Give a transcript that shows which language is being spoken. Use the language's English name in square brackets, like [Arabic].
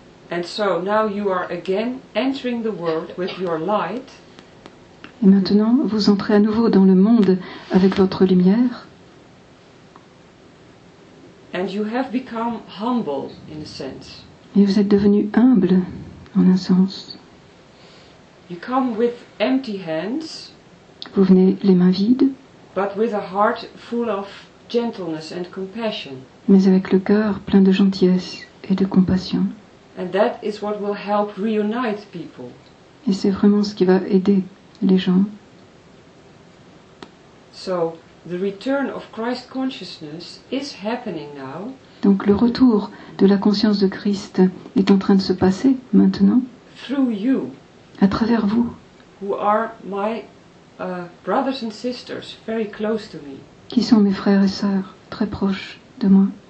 [English] And so now you are again entering the world with your light. [French] Et maintenant, vous entrez à nouveau dans le monde avec votre lumière. [English] And you have become humble in a sense. [French] Et vous êtes devenu humble. En un sens. [English] You come with empty hands, [French] vous venez les mains vides, [English] but with a heart full of gentleness and compassion. [French] Mais avec le cœur plein de gentillesse et de compassion. [English] And that is what will help reunite people. [French] Et c'est vraiment ce qui va aider les gens. [English] So, the return of Christ consciousness is happening now. [French] Donc le retour de la conscience de Christ est en train de se passer maintenant. [English] Through you, [French] à travers vous. [English] Who are my brothers and sisters, very close to me. [French] Qui sont mes frères et sœurs, très proches de moi.